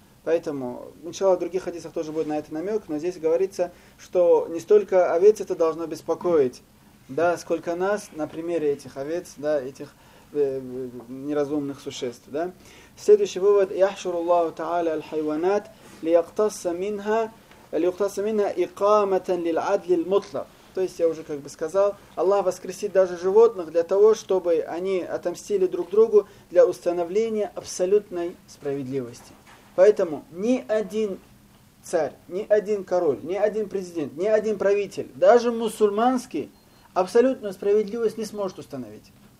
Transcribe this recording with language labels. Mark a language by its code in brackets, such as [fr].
[ru] Поэтому, иншаллах, в других хадисах тоже будет на это намек, но здесь говорится, что не столько овец это должно беспокоить, да, сколько нас на примере этих овец, да, этих неразумных существ. Да. Следующий вывод. [ar] «Яхшуру Аллаху Та'аля аль-хайванат». ليقتص منها إقامة للعدل المطلق. [ru] То есть я уже как бы сказал, Аллах воскресит даже животных для того, чтобы они отомстили друг другу для установления абсолютной справедливости. Поэтому ни один царь, ни один король, ни один президент, ни один правитель, даже мусульманский, абсолютную справедливость не сможет установить.